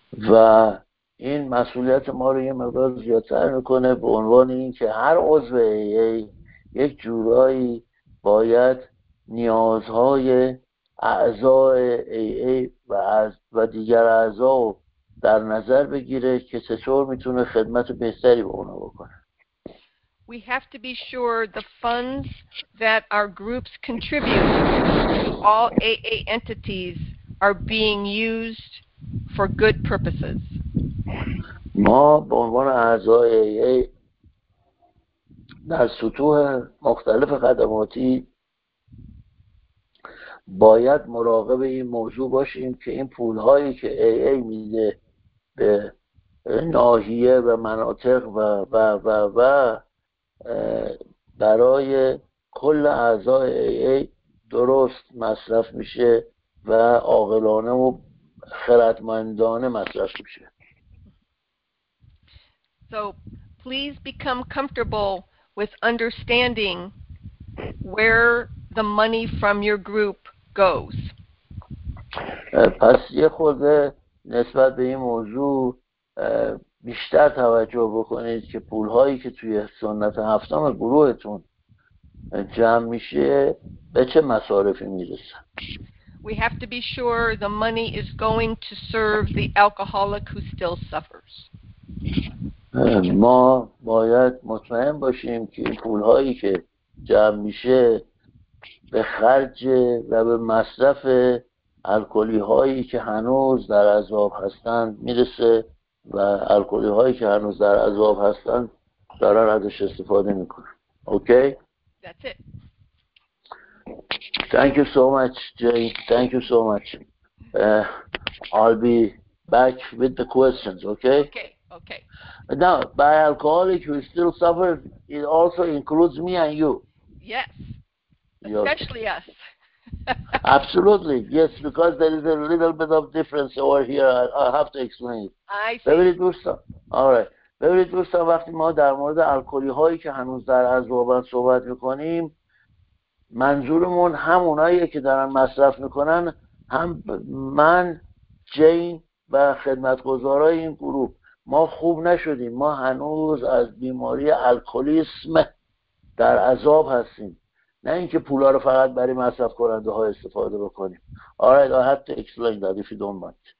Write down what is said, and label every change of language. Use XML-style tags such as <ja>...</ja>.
<fa>و این مسئولیت ما رو یه مقدار زیادتر میکنه به عنوان این که هر عضو AA یک جورایی باید نیازهای اعضای AA و دیگر اعضا در نظر بگیره که چطور میتونه خدمت بهتری به اونا بکنه.</fa> <en>We have to be sure the funds that our groups contribute to all AA entities are being used for good purposes.</en> <fa>ما به عنوان اعضای AA در سطوح مختلف خدماتی باید مراقب این موضوع باشیم که این پولهایی که AA میده به ناحیه و مناطق و و و و برای کل اعضای AA درست مصرف میشه و عاقلانه و خردمندانه مصرف میشه.</fa> <en>So please become comfortable with understanding where the money from your group goes.</en> <fa>پس یه خورده نسبت به این موضوع بیشتر توجه بکنید که پولهایی که توی سنت هفتم گروهتون جمع میشه به چه مصارفی میرسن.</fa> <en>We have to be sure the money is going to serve the alcoholic who still suffers.</en> <fa>ما باید مطمئن باشیم که این پولهایی که جمع میشه به خرج و به مصرف الکلی هایی که هنوز در عذاب هستند میرسه و الکلی هایی که هنوز در عذاب هستند دارن ازش استفاده میکنن.</fa> <en>Okay? That's it. Thank you so much, Jay. Thank you so much. I'll be back with the questions, okay? Okay. Now, by alcoholic who still suffers, it also includes me and you. Yes. You're especially okay. Us. Absolutely. Yes, because there is a little bit of difference over here. I have to explain it. I see. Very interesting. All right.</en> <fa>ببینید دوستان، وقتی ما در مورد الکلی هایی که هنوز در عذاب صحبت میکنیم، منظورمون هم اونایی که دارن مصرف میکنن، هم من، جین و خدمتگزارای این گروه، ما خوب نشدیم، ما هنوز از بیماری الکلیسم در عذاب هستیم، نه اینکه پولا رو فقط برای مصرف کننده ها استفاده بکنیم.</fa> <en>Alright, I have to explain that if you don't mind.</en>